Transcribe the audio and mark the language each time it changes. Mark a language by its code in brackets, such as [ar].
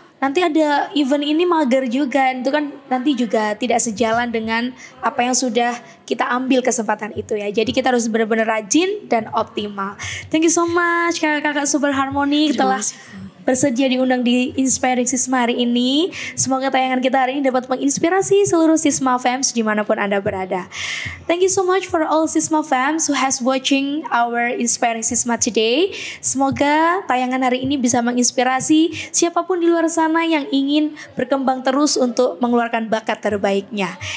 [id] nanti ada event ini mager juga, itu kan nanti juga tidak sejalan dengan apa yang sudah kita ambil kesempatan itu ya. Jadi kita harus benar-benar rajin dan optimal. [en] Thank you so much [id] kakak-kakak Super Harmony telah bersedia diundang di Inspiring Sisma hari ini. Semoga tayangan kita hari ini dapat menginspirasi seluruh Sisma fans dimanapun Anda berada. [en] Thank you so much for all Sisma fans who has watching our Inspiring Sisma today. [id] Semoga tayangan hari ini bisa menginspirasi siapapun di luar sana yang ingin berkembang terus untuk mengeluarkan bakat terbaiknya.